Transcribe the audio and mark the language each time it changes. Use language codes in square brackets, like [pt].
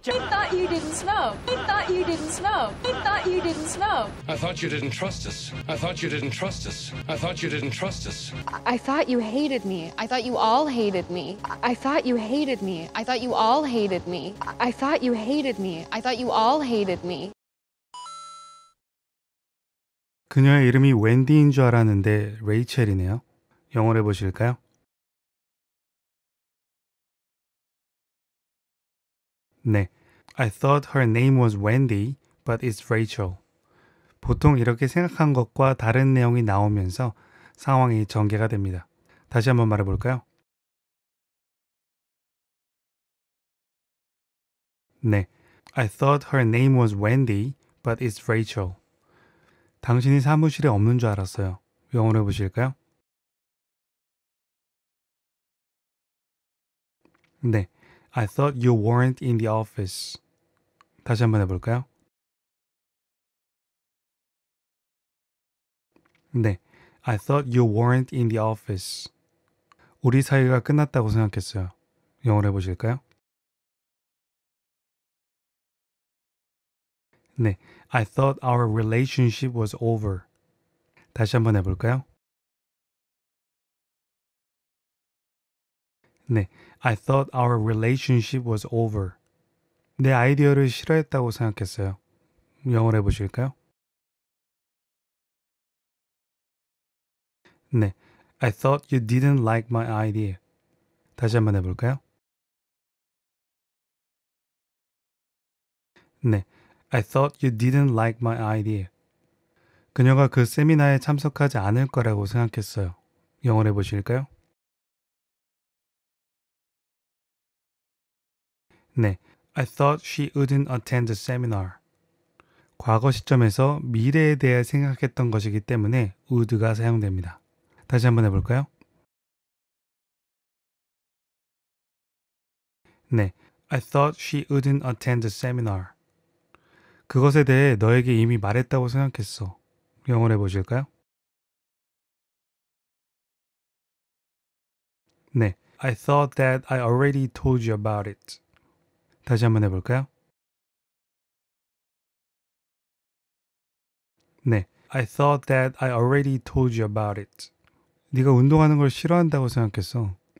[en] I thought you didn't smoke. I thought you didn't smoke. I thought you didn't smoke. I thought you didn't trust us. I thought you didn't trust us. I thought you didn't trust us. I thought you hated me. I thought you all hated me. I thought you hated me. I thought you all hated me. I thought you hated me. I thought you all hated me. [ko] 그녀의 이름이 웬디인 줄 알았는데 레이첼이네요. 영어로 해보실까요? [en] I thought her name was Wendy, but it's Rachel. [ko] 보통 이렇게 생각한 것과 다른 내용이 나오면서 상황이 전개가 됩니다. 다시 한번 말해볼까요? [en] 네, I thought her name was Wendy, but it's Rachel. [ko] 당신이 사무실에 없는 줄 알았어요. 영어로 해보실까요? [en] 네, I thought you weren't in the office. [ko] 다시 한번 해볼까요? [en] 네, I thought you weren't in the office. [ko] 우리 사이가 끝났다고 생각했어요. 영어로 해보실까요? [en] 네, I thought our relationship was over. [ko] 다시 한번 해볼까요? [en] 네, I thought our relationship was over. [ko] 내 아이디어를 싫어했다고 생각했어요. 영어로 해보실까요? [en] 네, I thought you didn't like my idea. [ko] 다시 한번 해볼까요? [en] 네, I thought you didn't like my idea. [ko] 그녀가 그 세미나에 참석하지 않을 거라고 생각했어요. 영어로 해보실까요? [en] 네, I thought she wouldn't attend the seminar. [ko] 과거 시점에서 미래에 대해 생각했던 것이기 때문에 would가 사용됩니다. 다시 한번 해볼까요? [en] 네, I thought she wouldn't attend the seminar. [ko] 그것에 대해 너에게 이미 말했다고 생각했어. 영어로 해보실까요? [en] 네, I thought that I already told you about it. [ko] 다시 한번 해볼까요? [en] 네, I thought that I already told you about it. [ko] 네가 운동하는 걸 싫어한다고 생각했어.